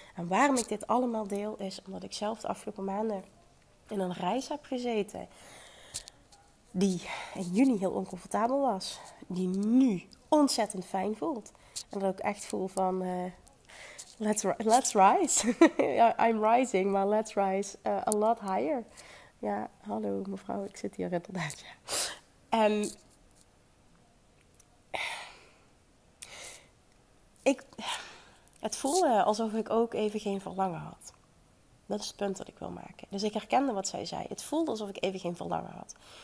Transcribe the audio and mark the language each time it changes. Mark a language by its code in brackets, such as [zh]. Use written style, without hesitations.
[nl] En waarom ik dit allemaal deel is omdat ik zelf de afgelopen maanden in een reis heb gezeten die in juni heel oncomfortabel was, die nu ontzettend fijn voelt. En dat ik echt voel van [en] let's rise. I'm rising, maar let's rise a lot higher. [nl] Ja, hallo mevrouw, ik zit hier inderdaad. Ja. En het voelde alsof ik ook even geen verlangen had. Dat is het punt dat ik wil maken. Dus ik herkende wat zij zei. Het voelde alsof ik even geen verlangen had.